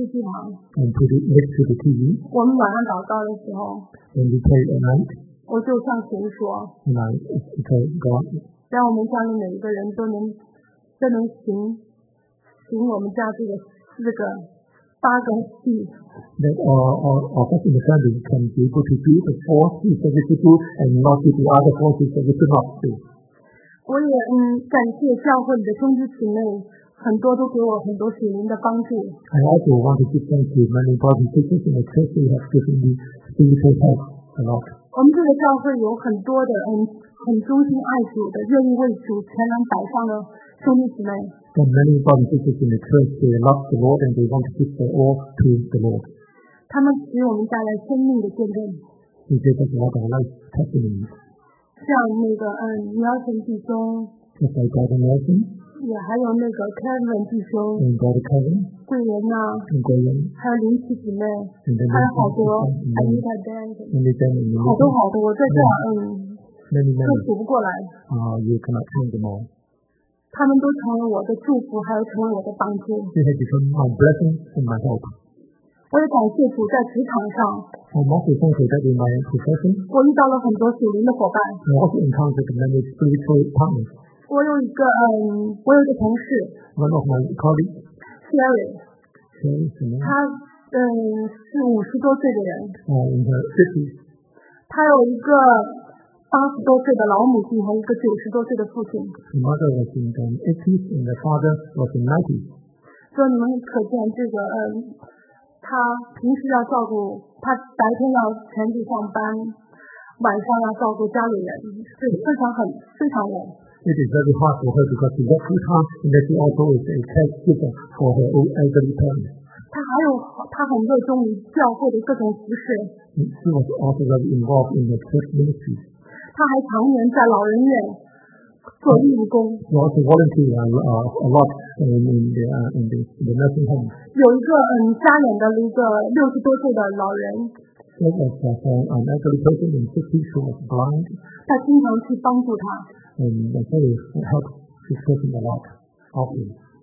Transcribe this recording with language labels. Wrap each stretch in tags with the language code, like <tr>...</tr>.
<zh>这地方。</zh> <en>And put it</en> <zh>我们晚上祷告的时候。</zh> <en>When we pray at night.</en> <zh>我就向神说。</zh> <en>And I tell God.</en> <zh>让我们家里每一个人都能行我们家这个八个 C.</zh> <en>That all of us in the family can be able to do the four C that we should do and not do the other four C that we should not do.</en> <zh>我也感谢教会里的兄弟姊妹。很多都给我很多属灵的帮助。</zh> <en>I also want to give thanks to many brothers and sisters in the church who have given me spiritual help a lot.</en> <zh>我们这个教会有很多的很忠心爱主的，愿意为主全然摆上的兄弟姊妹。</zh> <en>So many brothers and sisters in the church they love the Lord and they want to give their all to the Lord.</en> <zh>他们给我们带来生命的见证。</zh> <en>They give us a lot of life testimonies.</en> <zh>像那个苗晨弟兄。</zh> <en>Just like Brother Nelson.</en> <zh>也还有那个 Kevin 弟兄，嗯，包括 Kevin，桂莲呐，嗯，桂莲，还有林奇姐妹，还有好多 ，Anita Dan，Anita Dan， 好多好多，我在这儿，都数不过来。</zh> <en>啊 ，You cannot count them all。</en> <zh>他们都成了我的祝福，还有成了我的帮助。</zh> <en>They have become my blessing and my help。</en> <zh>我也感谢主在职场上。</zh> <en>I'm also thankful that in my profession。</en> <zh>我遇到了很多属灵的伙伴。</zh> <en>I also encountered many spiritual partners。</en> <zh>我有一个我有一个同事</zh> <en>，one of my colleagues，Sherry，</en> <zh>他是五十多岁的人，哦，五十，他有一个 80多岁的老母亲和一个90多岁的父亲。</zh> <en>Mother was in the 80s and the father was in 90s.</en> <zh>所以你们可见这个他平时要照顾，他白天要全职上班，晚上要照顾家里人，是非常很非常累。</zh> <en>It is very hard for her because she works full time and she also is a caregiver for her old elderly parents.</en> <zh>她还有她很热衷于教会的各种服事。</zh> <en>She was also very involved in the church ministry.</en> <zh>她还常年在老人院做义工。</zh> <en>She also volunteered a lot in the nursing home.</en> <zh>有一个家里的一个60多岁的老人。</zh> <en>There was an elderly person in 60s who was blind.</en> <zh>她经常去帮助他。</zh> <en>And so it helps this person a lot, often.</en>